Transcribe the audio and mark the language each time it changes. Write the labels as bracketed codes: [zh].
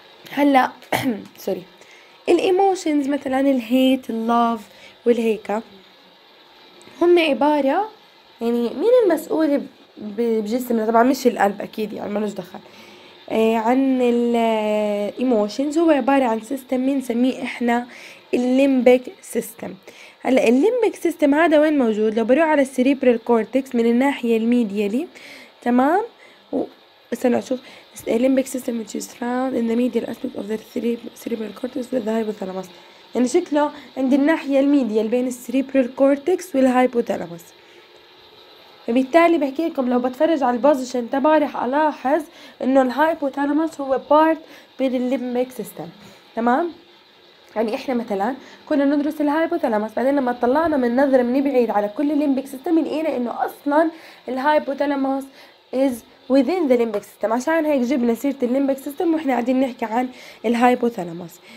[ar] هلا سوري، الايموشنز مثلا الهيت اللوف والهيكا هم عباره يعني مين المسؤول بجسمنا؟ طبعا مش القلب اكيد يعني ما لوش دخل، عن الايموشنز هو عباره عن سيستم بنسميه احنا الليمبك سيستم. هلا الليمبك سيستم هذا وين موجود؟ لو بروح على السيريبرال كورتكس من الناحيه الميديالي، تمام، استنى اشوف. [en] الليمبك system which is found in the medial aspect of the cerebral cortex with the hypothalamus، [ar] يعني شكله عند الناحيه الميديال بين السيريبرال كورتكس والهايبوثالاموس. فبالتالي بحكي لكم لو بتفرج على البوزيشن تبعي رح الاحظ انه الهايبوثالاموس هو بارت من الليمبك سيستم، تمام. يعني احنا مثلا كنا ندرس الهايبوثالاموس، بعدين لما طلعنا من نظره من بعيد على كل الليمبك سيستم لقينا انه اصلا الهايبوثالاموس [en] is within the limbic system، [ar] عشان هيك جبنا سيرة الليمبك سيستم واحنا قاعدين نحكي عن الهايبوثالاموس.